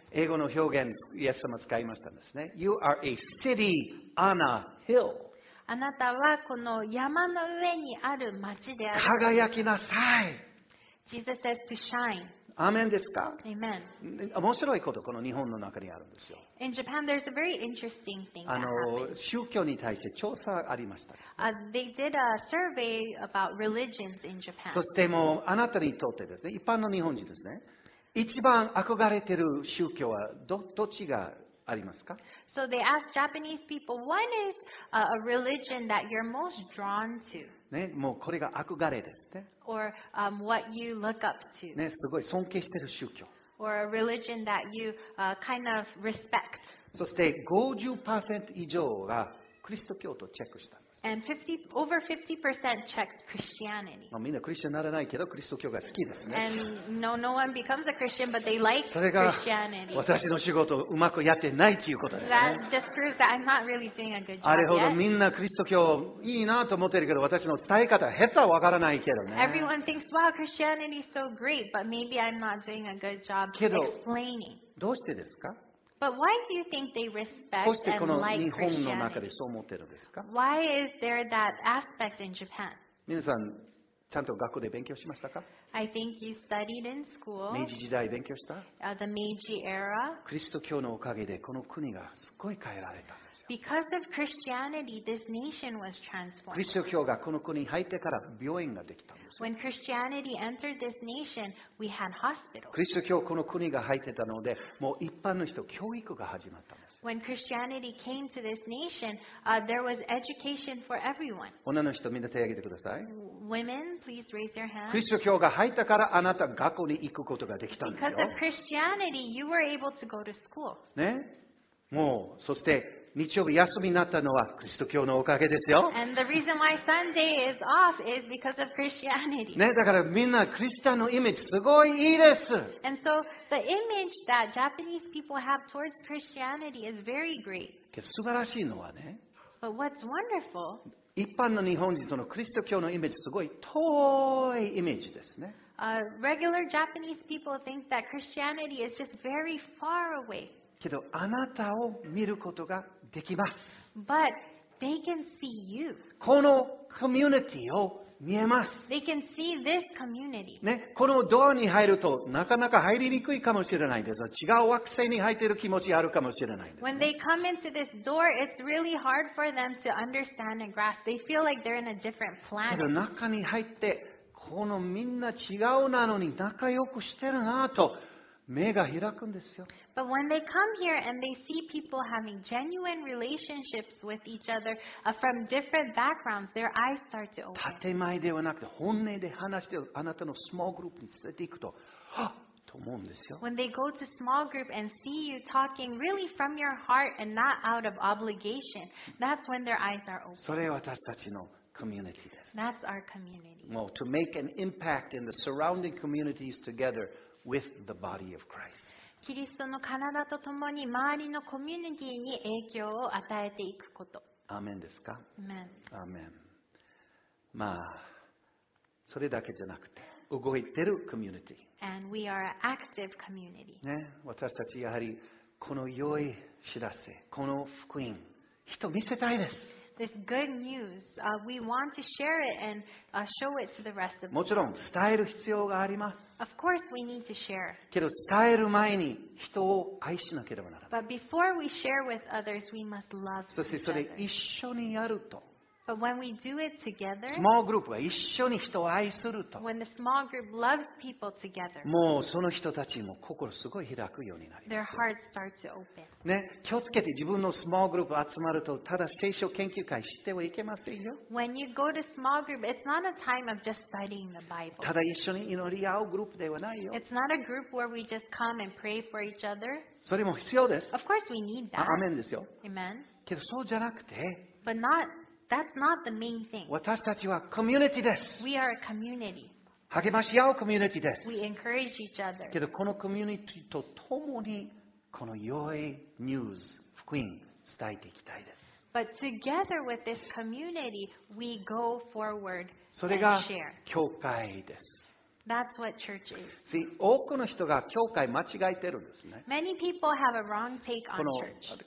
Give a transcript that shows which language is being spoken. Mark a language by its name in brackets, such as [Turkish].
[Japanese] 英語の表現、イエス様使いましたんですね。 [English] You are a city on a hill. [Japanese] あなたはこの山の上にある町である。輝きなさい。 [English] Jesus says to shine. [Japanese] アメンですか？ [English] Amen. [Japanese] 面白いこと、この日本の中にあるんですよ。 [English] In Japan, there's a very interesting thing that happened. [Japanese] 宗教に対して調査ありましたですね。 [English] They did a survey about religions in Japan. [Japanese] そしてもうあなたにとってですね、一般の日本人ですね、一番憧れている宗教はどっちがありますか？ [English] So they asked Japanese people, what is a religion that you're most drawn to? [Japanese] ね、もうこれが憧れですね。 [English] Or, what you look up to. [Japanese] ね、すごい尊敬している宗教。 [English] Or a religion that you, kind of respect. [Japanese] そして 50% 以上がクリスト教徒をチェックしたんです。 [English] And 50, over 50% checked Christianity. [Japanese] まあ、みんなクリスチャンにならないけどクリスト教が好きですね。 [English] And no, no one becomes a Christian, but they like Christianity. [Japanese] それが私の仕事をうまくやってないということですね。 [English] That just proves that I'm not really doing a good job. [Japanese] あれほどみんなクリスト教いいなと思ってるけど私の伝え方下手はわからないけどね。 [English] Everyone thinks, wow, Christianity is so great, but maybe I'm not doing a good job explaining. [Japanese] どうしてですか？ [English] But why do you think they respect and like Christianity? [Japanese] どうしてこの日本の中でそう思ってるんですか? [English] Why is there that aspect in Japan? [Japanese] 皆さん、ちゃんと学校で勉強しましたか? [English] I think you studied in school. [Japanese] 明治時代勉強した? [English] The Meiji era. [Japanese] クリスト教のおかげでこの国がすごい変えられたんですよ。 [English] Because of Christianity, this nation was transformed. [Japanese] クリスト教がこの国に入ってから病院ができたんですよ。 [English] When Christianity entered this nation, we had hospitals. [Japanese] クリスト教この国が入ってたので、もう一般の人、教育が始まったんです。 [English] When Christianity came to this nation, there was education for everyone. [Japanese] 女の人、みんな手を挙げてください。 [English] Women, please raise your hand. [Japanese] クリスト教が入ったからあなた学校に行くことができたんですよ。 [English] Because of Christianity, you were able to go to school. [Japanese] ね、もうそして日曜日休みになったのはクリスト教のおかげですよ。 [English] And the reason why Sunday is off is because of Christianity. [Japanese] ね、だからみんなクリスチャンのイメージすごいいいです。 [English] And so the image that Japanese people have towards Christianity is very great. [Japanese] けど素晴らしいのはね、 [English] But what's wonderful, [Japanese] 一般の日本人、そのクリスト教のイメージ、すごい遠いイメージですね。 [English] Regular Japanese people think that Christianity is just very far away. [Japanese] けど、あなたを見ることができます。 [English] But they can see you. [Japanese] このコミュニティを見えます。 [English] They can see this community. [Japanese] ね、このドアに入るとなかなか入りにくいかもしれないです。違う惑星に入っている気持ちあるかもしれないです、ね。 [English] When they come into this door, it's really hard for them to understand and grasp. They feel like they're in a different planet. [Japanese] けど中に入って、このみんな違うなのに仲良くしてるなと目が開くんですよ。 [English] But when they come here and they see people having genuine relationships with each other from different backgrounds, their eyes start to open. [Japanese] 建前ではなくて本音で話してるあなたのスモールグループに連れていくと、はっと思うんですよ。 [English] When they go to small group and see you talking really from your heart and not out of obligation, that's when their eyes are open. [Japanese] それは私たちのコミュニティです。 [English] That's our community. Well, to make an impact in the surrounding communities together with the body of Christ. [Japanese] キリストの体とともに周りのコミュニティに影響を与えていくこと。アーメンですか？アーメン。アーメン。まあ、それだけじゃなくて、動いてるコミュニティ。 [English] And we are an active community. [Japanese] ね、私たちやはりこの良い知らせ、この福音、人見せたいです。 [English] This good news, we want to share it and show it to the rest of the [Japanese] world. もちろん伝える必要があります。 [English] Of course, we need to share. [Japanese] けど伝える前に人を愛しなければならない。 [English] But before we share with others, we must love each other. [Japanese] そしてそれ一緒にやると。 [English] But when we do it together, [Japanese] スモールグループは一緒に人を愛すると。 [English] When the small group loves people together, [Japanese] もうその人たちも心すごい開くようになります。 [English] Their hearts start to open. [Japanese] ね、気をつけて自分のスモールグループ集まるとただ聖書研究会してはいけませんよ。 [English] When you go to small group, it's not a time of just studying the Bible. [Japanese] ただ一緒に祈り合うグループではないよ。 [English] It's not a group where we just come and pray for each other. [Japanese] それも必要です。 [English] Of course we need that. [Japanese] アーメンですよ。 [English] Amen. [Japanese] けどそうじゃなくて、 [English] But not That's not the main thing. [Japanese] 私たちはコミュニティです。 [English] We are a community. [Japanese] 励まし合うコミュニティです。 [English] We encourage each other. [Japanese] けどこのコミュニティとともにこの良いニュース、福音伝えていきたいです。 [English] But together with this community, we go forward and share. [Japanese] それが教会です。 [English] That's what church is. [Japanese] See, 多くの人が教会間違えてるんですね。 [English] Many people have a wrong take on church.